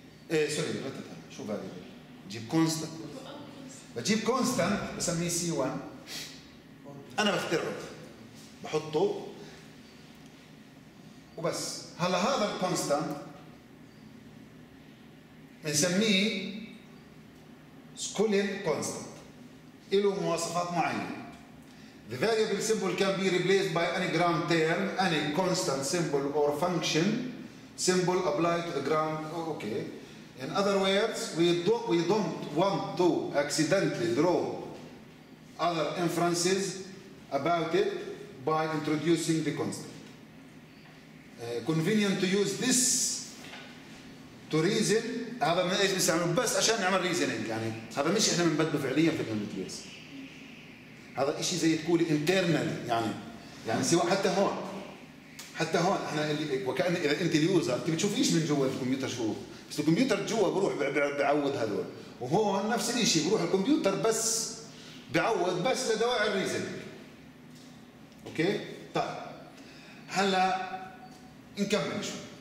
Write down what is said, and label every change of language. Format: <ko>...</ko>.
<ar>ايه سوري رتبها، شو فاريبل؟ بجيب كونستانت، بجيب كونستانت بسميه سي 1، انا بختاره بحطه وبس. هلا هذا الكونستانت بنسميه سكولين كونستانت، له مواصفات معينه.</ar> <en>The variable symbol can be replaced by any ground term, any constant symbol or function symbol applied to the ground. Okay. In other words, we don't want to accidentally draw other inferences about it by introducing the constant. Convenient to use this</en> <ar>تو ريزن هذا من ايش بنستعمله بس عشان نعمل ريزنينج يعني هذا مش احنا بنبدله فعليا في الانتيرس هذا اشي زي تقولي انترنال يعني يعني سواء حتى هون حتى هون احنا اللي وكان اذا انت اليوزر انت بتشوف ايش من جوا الكمبيوتر شو بس الكمبيوتر جوا بروح بيعوض هذول وهون نفس الشيء بروح الكمبيوتر بس بيعوض بس لدواعي الريزنينج اوكي طيب هلا نكمل شو</ar>